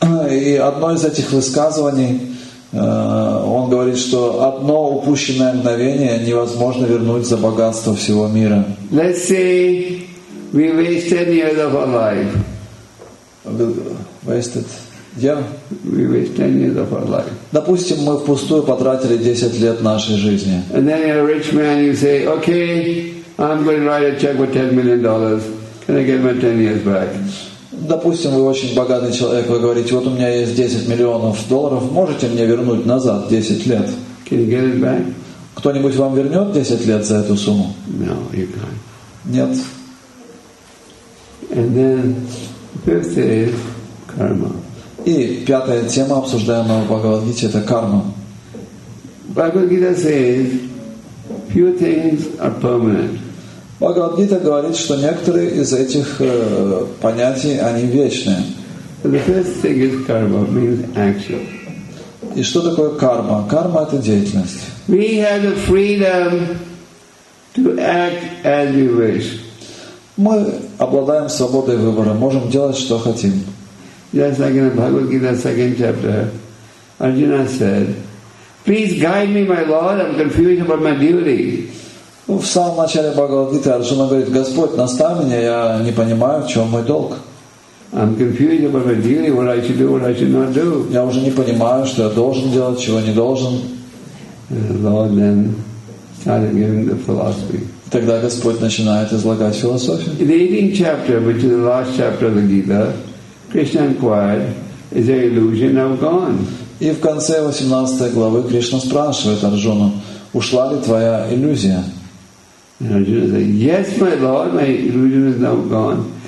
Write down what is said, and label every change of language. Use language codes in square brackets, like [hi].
[ru] И одно из этих высказываний, он говорит, что одно упущенное мгновение невозможно вернуть за богатство всего мира. [en] Let's say we waste 10 years of our life. Wasted. Yeah. We waste 10 years of our life. [ru] Допустим, мы впустую потратили 10 лет нашей жизни. [en] And then you're a rich man, you say, okay, I'm going to write a check for $10 million. Can I get my 10 years back? [ru] Допустим, вы очень богатый человек, вы говорите, вот у меня есть 10 миллионов долларов, можете мне вернуть назад 10 лет? [en] Can you get it back? [ru] Кто-нибудь вам вернет 10 лет за эту сумму? [en] No, you can't. [ru] Нет. [en] And then, fifth is karma. [ru] И пятая тема, обсуждаемая в Бхагавад-гите, это карма. [en] Бхагавад-гита says, few things are permanent. [ru] Бхагавад-гита говорит, что некоторые из этих понятий, они вечные. [en] So the first thing is karma, means action. [ru] И что такое карма? Карма — это деятельность. [en] We have the freedom to act as we wish. [ru] Мы обладаем свободой выбора, можем делать, что хотим. [en] Just like in the Bhagavad Gita, second chapter, Arjuna said, "Please guide me, my Lord. I'm confused about my duty." [ru] В самом начале Бхагавад Гиты Арджуна говорит: «Господь, наставь меня, я не понимаю, в чем мой долг». [en] I'm confused about my duty. What I should do, what I should not do. [ru] Я уже не понимаю, что я должен делать, чего не должен. [en] Lord then started giving the philosophy. [ru] Тогда Господь начинает излагать философию. [en] In the 18th chapter, which is the last chapter of the Gita, Krishna inquired, "Is there illusion now gone?" [ru] И в конце 18 главы Кришна спрашивает Арджуну: «Ушла ли твоя иллюзия?» [en] And Arjuna said, "Yes, my Lord, my illusion is now gone.